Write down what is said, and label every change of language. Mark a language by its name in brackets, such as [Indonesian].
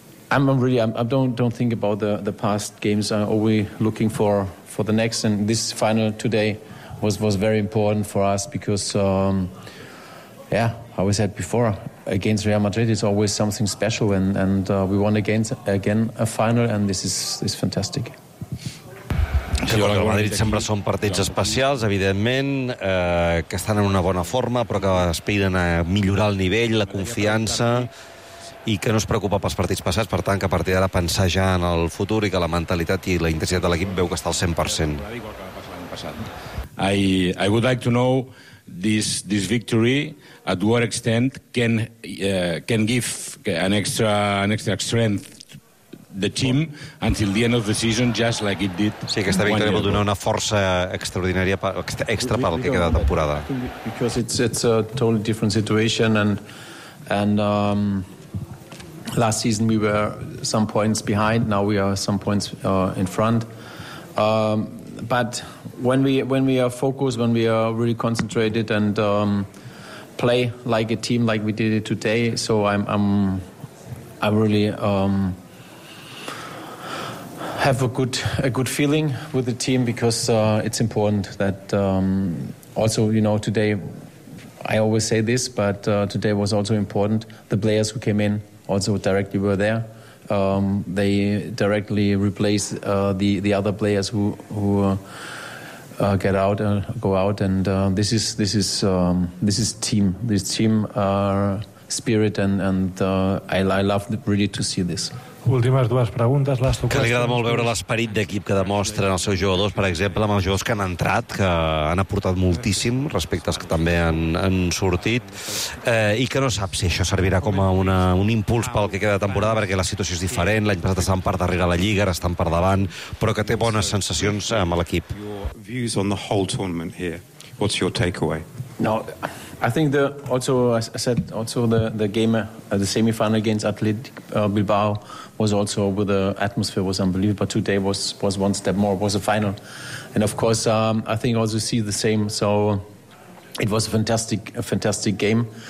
[English] I don't think about the past games. I'm always looking for the next, and this final today was very important for us, because I always said before, against Real Madrid is always something special, and we won again a final, and this is fantastic. [Catalan] Sí, contra el Madrid sempre són partits especials, evidentment, que estan en una bona forma, però que aspiren a millorar el nivell, la confiança, i que no es preocupa pels partits passats, per tant, que a partir d'ara pensar ja en el futur i que la mentalitat i la intensitat de l'equip veu que està al 100%. [English] I would like to know this victory, at what extent can give an extra strength the team until the end of the season, just like it did. [Catalan] Sí, aquesta victòria vol donar una força extraordinària extra per al que queda de temporada. [English] Because it's a totally different situation and last season we were some points behind, now we are some points in front. But when we are focused, when we are really concentrated and play like a team like we did it today, so I'm really have a good feeling with the team, because it's important that also, you know, today I always say this, but today was also important. The players who came in also directly were there. They directly replace the other players who get out and go out, and this is team. This team spirit, and I love really to see this. [Catalan] Últimes dues preguntes. Last que li agrada molt veure l'esperit d'equip que demostren els seus jugadors, per exemple, amb els jugadors que han entrat, que han aportat moltíssim respecte als que també han sortit, i que no sap si això servirà com un impuls pel que queda de temporada, perquè la situació és diferent. L'any passat estan per darrere la Lliga, ara estan per davant, però que té bones sensacions amb l'equip. [English] Your views on the whole tournament here. What's your takeaway? No, I think the game, the semi-final against Athletic Bilbao was also, with the atmosphere was unbelievable, but today was one step more, was a final. And of course, I think also see the same, so it was a fantastic game.